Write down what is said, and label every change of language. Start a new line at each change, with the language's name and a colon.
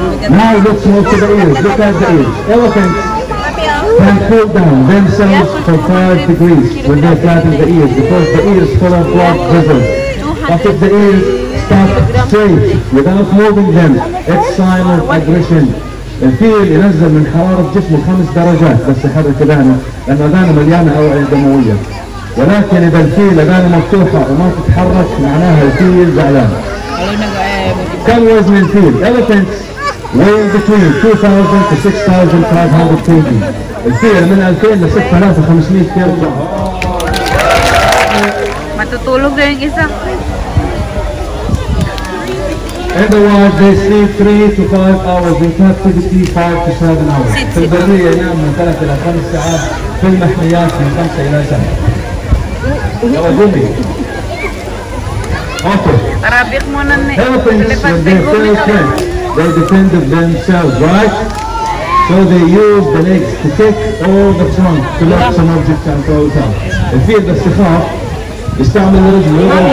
English: Now let's move to the ears. Look at the ears. Elephants can cool down themselves for 5 degrees when they're flattened the ears because the ears full of blood vessels. But if the ears stuck straight without moving them, it's sign of aggression.
Arabic: الفيل ينزل من حرارة جسمه 5 درجات بس يحرك أذانه لأن أذانه مليانة أوعية دموية. ولكن إذا الفيل أذانه مفتوحة وما تتحرك معناها الفيل زعلان. كم وزن الفيل؟
English: Elephants weigh between 2,000 to 6,500 kg.
Arabic: الفيل من 2000 ل 6500 كيلو. متتولد يا إنجيزا؟
English: In the wild, they sleep 3 to 5 hours. In captivity, 5 to 7 hours.
Arabic: في البرية ينام من 3 إلى 5 ساعات. في المحميات من 5 إلى 7. يلا قومي. Okay. رابيك مونني.
English: Elephants, they feel strength. They defend themselves, right? So they use the legs to kick or the trunk to lock some objects and throw it out.
Arabic: الفيل بس يخاف يستعمل رجله.